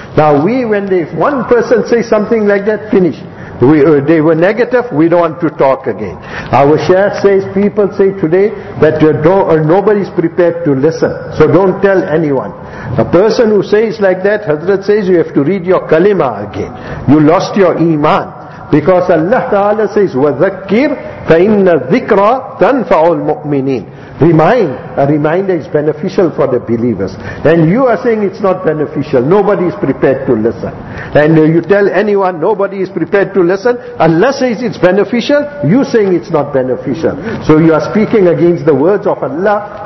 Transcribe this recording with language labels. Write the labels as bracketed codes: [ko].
[en] Now we, when they, if one person says something like that, finish. They were negative, we don't want to talk again. Our Shaykh says, people say today that nobody's prepared to listen. So don't tell anyone. A person who says like that, Hazrat says, you have to read your kalima again. You lost your iman. Because Allah Ta'ala says, [ar] وَذَكِّرْ فَإِنَّ الذِّكْرَ تَنْفَعُ الْمُؤْمِنِينَ. [en] Remind. A reminder is beneficial for the believers. And you are saying it's not beneficial. Nobody is prepared to listen. And you tell anyone, nobody is prepared to listen. Allah says it's beneficial. You saying it's not beneficial. So you are speaking against the words of Allah.